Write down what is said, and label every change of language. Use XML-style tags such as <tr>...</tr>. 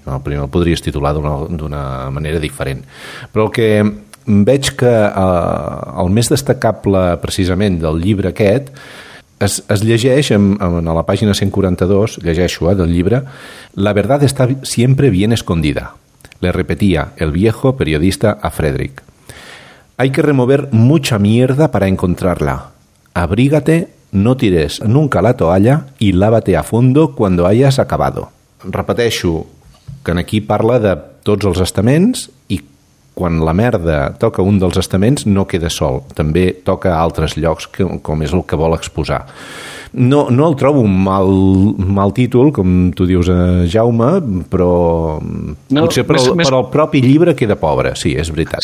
<ca>El primer el podries titular d'una manera diferent. Però el que veig que el més destacable precisament del llibre aquest es llegeix en la pàgina 142, llegeixo del llibre:</ca> <es>la verdad está siempre bien escondida, le repetía el viejo periodista a Frederick. Hay que remover mucha mierda para encontrarla. Abrígate, no tires nunca la toalla y lávate a fondo cuando hayas acabado.</es> <ca>Repeteixo que aquí parla de tots els estaments i quan la merda toca un dels estaments no queda sol, també toca altres llocs com és el que vol exposar. No el trobo un mal títol, com tu dius, Jaume, però no, potser per el propi llibre queda pobre, sí, és veritat.</ca>